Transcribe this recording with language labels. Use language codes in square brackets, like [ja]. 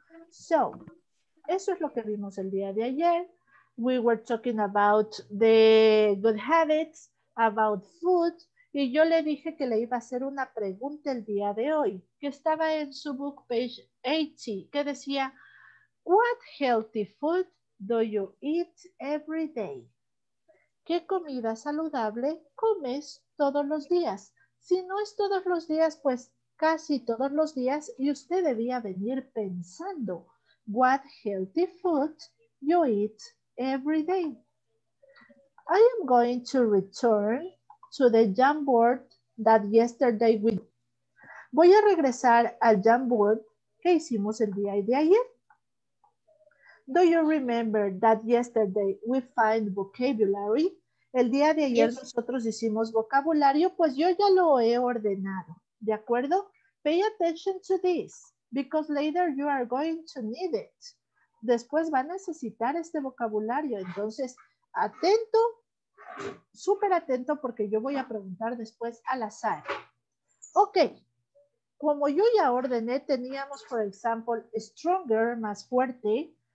[es] So, eso es lo que vimos el día de ayer. [en] We were talking about the good habits, about food. [es] Y yo le dije que le iba a hacer una pregunta el día de hoy, que estaba en su [en] book page [es] 80, que decía, [en] what healthy food do you eat every day? [es] ¿Qué comida saludable comes todos los días? Si no es todos los días, pues casi todos los días, y usted debía venir pensando, [en] what healthy food you eat every day? I am going to return to the Jamboard that yesterday we did. [es] Voy a regresar al Jamboard que hicimos el día de ayer. [en] Do you remember that yesterday we find vocabulary? [es] El día de ayer nosotros hicimos vocabulario, pues yo ya lo he ordenado, ¿de acuerdo? [en] Pay attention to this, because later you are going to need it. [es] Después va a necesitar este vocabulario, entonces atento, súper atento, porque yo voy a preguntar después al azar. Ok, como yo ya ordené, teníamos, [en] for example, stronger, [es] más fuerte.